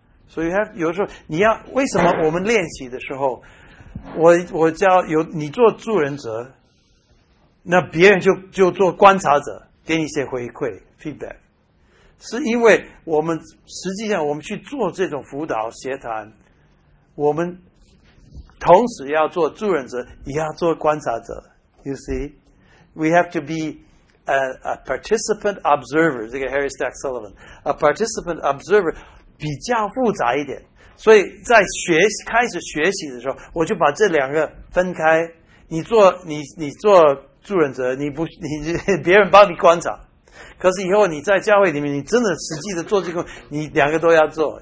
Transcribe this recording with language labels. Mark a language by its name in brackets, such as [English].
[English] So you have, [Chinese] 有时候你要，为什么我们练习的时候，我叫有你做助人者，那别人就做观察者，给你一些回馈 feedback。是因为我们实际上我们去做这种辅导协谈，我们同时要做助人者，也要做观察者。 [English] You see, we have to be a participant observer. [Chinese] 这个 Harry Stack Sullivan, [English] a participant observer [Chinese] 比较复杂一点。所以在开始学习的时候，我就把这两个分开。你做助人者，你别人帮你观察。可是以后你在教会里面，你真的实际的做这个，你两个都要做。